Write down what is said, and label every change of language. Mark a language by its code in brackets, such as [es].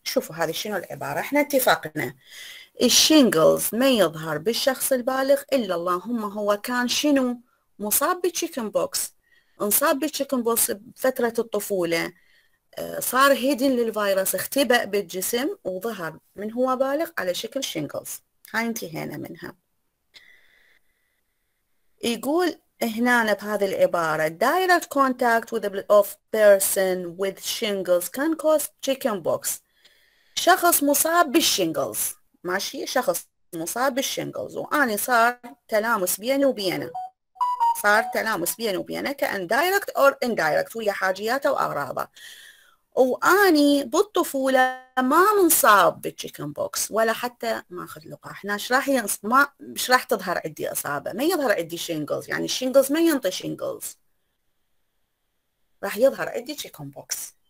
[ar] شوفوا هذه شنو العبارة، احنا اتفقنا الشينجلز ما يظهر بالشخص البالغ الا اللهم هو كان شنو مصاب بالتشيكن بوكس، انصاب بالتشيكن بوكس بفترة الطفولة، صار هيدن للفيروس، اختبأ بالجسم وظهر من هو بالغ على شكل شينجلز. هاي انتهينا منها. يقول هنا بهذه العبارة [en] direct contact with a person with shingles can cause chicken pox. [ar] شخص مصاب بالشينجلز، ماشي، شخص مصاب بالشينجلز واني صار تلامس بيني وبينه، صار تلامس بيني وبينه كان دايركت اور اندايركت ويا حاجياته واغراضه، واني بالطفوله ما منصاب بالتشيكن بوكس ولا حتى ما اخذ لقاح، مش راح تظهر عندي اصابه، ما يظهر عندي شينجلز، يعني الشينجلز ما ينطي شينجلز، راح يظهر عندي تشيكن بوكس.